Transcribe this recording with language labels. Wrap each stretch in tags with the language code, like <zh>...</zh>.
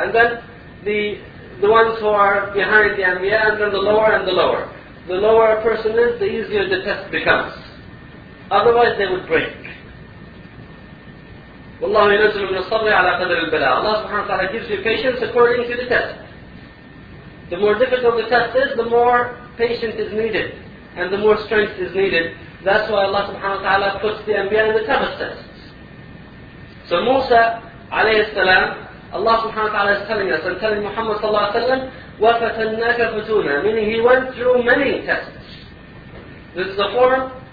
<en>And then the ones who are behind the Anbiya, and then the lower and the lower. The lower a person is, the easier the test becomes. Otherwise they would break.</en> <ar>والله ينزل من الصبر على قدر البلاء.</ar> <en>Allah subhanahu wa ta'ala gives you patience according to the test. The more difficult the test is, the more patience is needed, and the more strength is needed. That's why Allah subhanahu wa ta'ala puts the Anbiya in the toughest tests. So Musa alayhi salam, Allah subhanahu wa ta'ala is telling us and telling Muhammad sallallahu alayhi wa sallam,</en> <ar>وَفَتَنَّاكَ فُتُونَ,</ar> <en>meaning he went through many tests. This is a form</en>